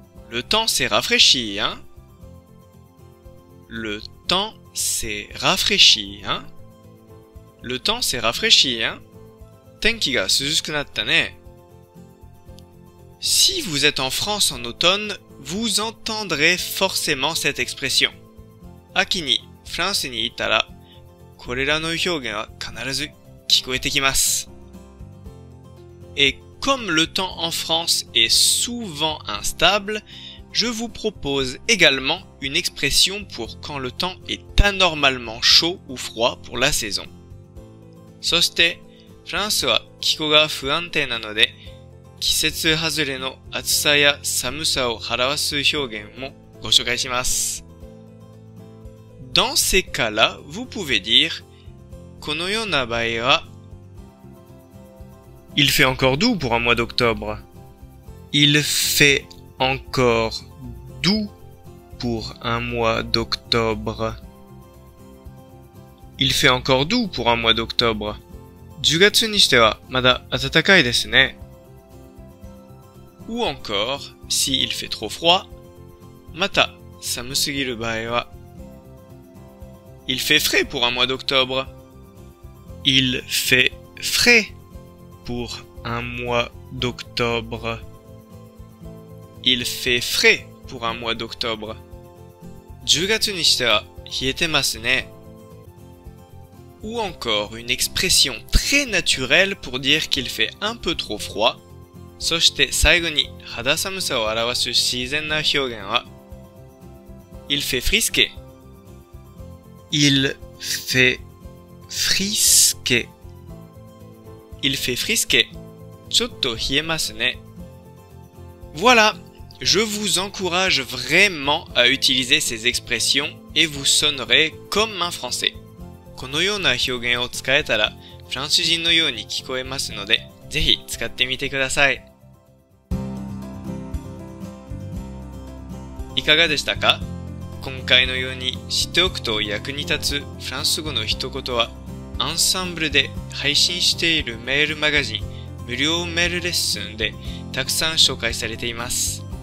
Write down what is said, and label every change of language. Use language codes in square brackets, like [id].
[fr] le temps s'est rafraîchi, hein? Le temps s'est rafraîchi, hein? Le temps s'est rafraîchi, hein? [ja] 天気が涼しくなったね。 [fr] Si vous êtes en France en automne, vous entendrez forcément cette expression. [ja] 秋にフランスにいたら、これらの表現は必ず聞こえてきます。 [fr] Et comme le temps en France est souvent instable, je vous propose également une expression pour quand le temps est anormalement chaud ou froid pour la saison. [ja] そして、フランスは気候が不安定なので、季節外れの暑さや寒さを表す表現もご紹介します。 [fr] Dans ces cas-là, vous pouvez dire、 [ja] このような場合は、 [fr] Il fait encore doux pour un mois d'octobre. Il fait encore doux pour un mois d'octobre. Il fait encore doux pour un mois d'octobre. [ja] 10月にしてはまだ暖かいですね。 [fr] Ou encore, si il fait trop froid, [ja] また寒すぎる場合は、 [fr] Il fait frais pour un mois d'octobre. Il fait frais pour un mois d'octobre. Il fait frais pour un mois d'octobre. [ja] 10月にしては冷えてますね。 [fr] Ou encore une expression très naturelle pour dire qu'il fait un peu trop froid. [ja] そして最後に肌寒さを表す自然な表現は [fr] Il fait frisquer. Il fait frisquer. Il fait frisquer. [ja] ちょっと冷えますね。 [fr] Voilà, je vous encourage vraiment à utiliser ces expressions et vous sonnerez comme un français. [ja] このような表現を使えたら、フランス人のように聞こえますので、ぜひ使ってみてください。いかがでしたか？今回のように知っておくと役に立つフランス語の一言は、アンサンブルで配信しているメールマガジン、無料メールレッスンでたくさん紹介されています。